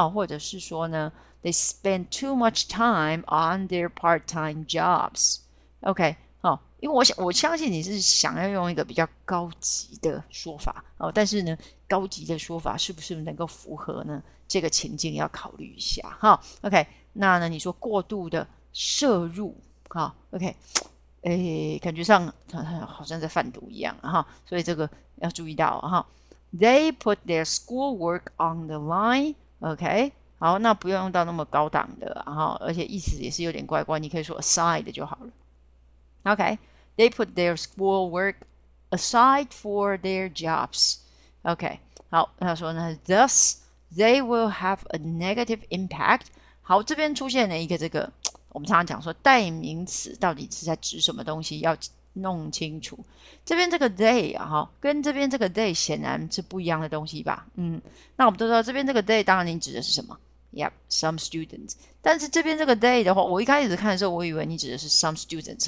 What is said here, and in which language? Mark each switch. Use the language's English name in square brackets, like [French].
[Chinese] 或者是说呢， [English] they spend too much time on their part-time jobs。 [Chinese] OK，好，因为我相信你是想要用一个比较高级的说法哦，但是呢，高级的说法是不是能够符合呢？这个情境要考虑一下哈。 OK，那呢，你说过度的摄入哈，OK，感觉上好像在贩毒一样哈，所以这个要注意到哈。 [English] They put their schoolwork on the line， [Chinese] OK，好，那不用用到那么高档的，然后而且意思也是有点怪怪，你可以说 aside 就好了。 [English] OK，they put their school work aside for their jobs. OK， [Chinese] 好，他说呢， [English] thus they will have a negative impact. [Chinese] 好，这边出现了一个这个，我们常常讲说代名词到底是在指什么东西，要弄清楚。这边这个 they 啊，哈，跟这边这个 they 显然是不一样的东西吧？嗯，那我们都知道这边这个 they，当然你指的是什么？ [English] Yep，some students。 [Chinese] 但是这边这个 day 的话，我一开始看的时候，我以为你指的是 some students。